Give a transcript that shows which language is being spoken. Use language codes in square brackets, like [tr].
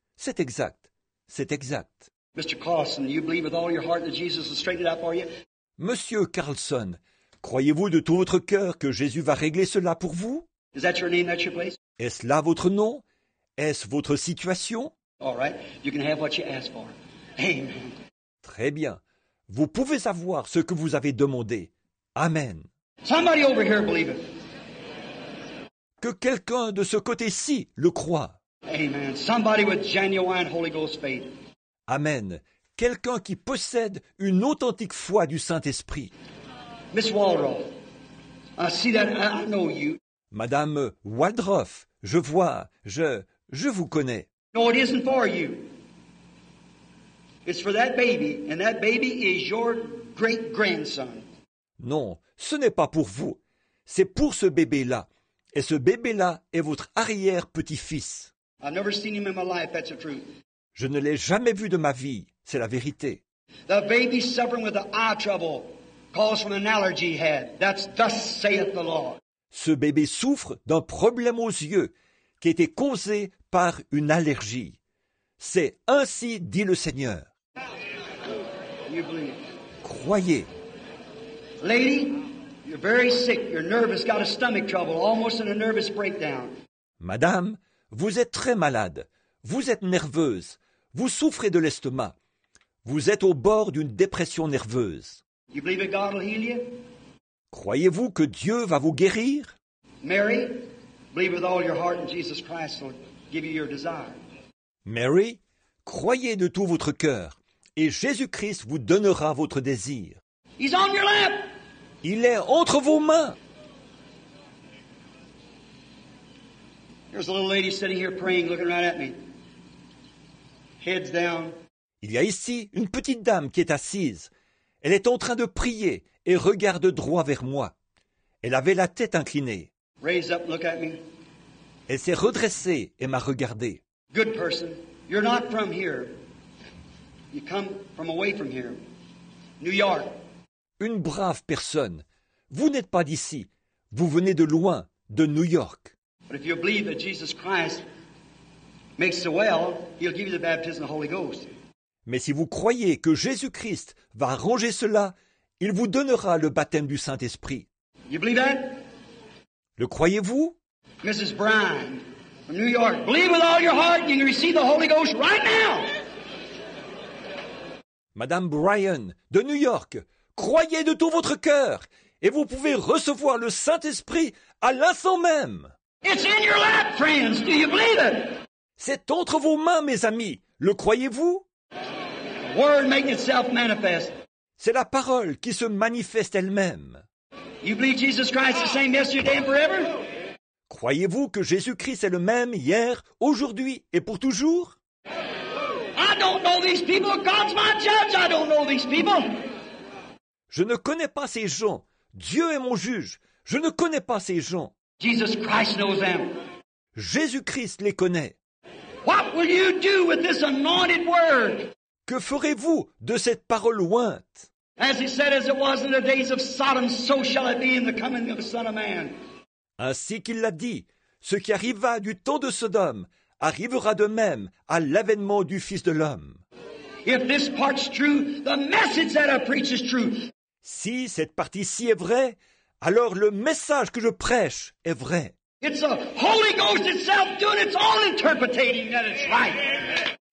[fr] C'est exact, c'est exact. [en] Mr. Carlson, you believe with all your heart that Jesus has straightened out for you? [fr] Monsieur Carlson, croyez-vous de tout votre cœur que Jésus va régler cela pour vous? [en] Is that your name, that's your place? [fr] Est-ce là votre nom? Est-ce votre situation? [en] All right, you can have what you ask for. Amen. [fr] Très bien. Vous pouvez avoir ce que vous avez demandé. Amen. [en] Somebody over here believe it. [fr] Que quelqu'un de ce côté-ci le croit. [en] Amen. Somebody with genuine Holy Ghost faith. Amen. [fr] Quelqu'un qui possède une authentique foi du Saint-Esprit. [en] Miss Waldrop, I see that I know you. [fr] Madame Waldrop, je vois, je vous connais. [en] No, it isn't for you. It's for that baby, and that baby is your great-grandson. [fr] Non, ce n'est pas pour vous. C'est pour ce bébé-là. Et ce bébé-là est votre arrière-petit-fils. [en] I've never seen him in my life, that's the truth. [fr] Je ne l'ai jamais vu de ma vie, c'est la vérité. [en] The baby suffering with the eye trouble caused from an allergy head. That's thus saith the Lord. [fr] Ce bébé souffre d'un problème aux yeux qui était causé par une allergie. C'est ainsi dit le Seigneur. [en] You believe. [fr] Croyez. [en] Lady, you're very sick. You're nervous, got a stomach trouble, almost in a nervous breakdown. [fr] Madame, vous êtes très malade. Vous êtes nerveuse. Vous souffrez de l'estomac. Vous êtes au bord d'une dépression nerveuse. [en] You believe that God will heal you? [fr] Croyez-vous que Dieu va vous guérir? [en] Mary, believe with all your heart in Jesus Christ will give you your desire. [fr] Mary, croyez de tout votre cœur et Jésus-Christ vous donnera votre désir. [en] He's on your lap. [fr] Il est entre vos mains. [en] There's a little lady sitting here praying, looking right at me. Heads down. [fr] Il y a ici une petite dame qui est assise. Elle est en train de prier et regarde droit vers moi. Elle avait la tête inclinée. [en] Raise up, look at me. [fr] Elle s'est redressée et m'a regardé. [en] Good person, you're not from here. You come from away from here. New York. [fr] Une brave personne. Vous n'êtes pas d'ici. Vous venez de loin, de New York. [en] But if you believe that Jesus Christ makes it well, he'll give you the baptism of the Holy Ghost. [fr] Mais si vous croyez que Jésus-Christ va arranger cela, il vous donnera le baptême du Saint-Esprit. [en] You believe that? [fr] Le croyez-vous? [en] Mrs. Bryan, from New York, believe with all your heart and you can receive the Holy Ghost right now. [fr] Madame Bryan, de New York, croyez de tout votre cœur et vous pouvez recevoir le Saint-Esprit à l'instant même. [en] It's in your lap, friends. Do you believe it? [fr] C'est entre vos mains, mes amis. Le croyez-vous? [en] Word making itself manifest. [fr] C'est la parole qui se manifeste elle-même. [en] You believe Jesus Christ the same yesterday and forever? [fr] Croyez-vous que Jésus-Christ est le même hier, aujourd'hui et pour toujours? [en] I don't know these people. God's my judge. I don't know these people. [fr] Je ne connais pas ces gens. Dieu est mon juge. Je ne connais pas ces gens. [en] Jesus Christ knows them. [fr] Jésus-Christ les connaît. [en] What will you do with this anointed word? [fr] Que ferez-vous de cette parole ointe? [en] As he said, as it was in the days of Sodom, so shall it be in the coming of the Son of Man. [fr] Ainsi qu'il l'a dit, ce qui arriva du temps de Sodome arrivera de même à l'avènement du Fils de l'homme. [en] If this part's true, the message that I preach is true. [fr] Si cette partie-ci est vraie, alors le message que je prêche est vrai. [en] It's the Holy Ghost itself doing its own interpreting that it's right.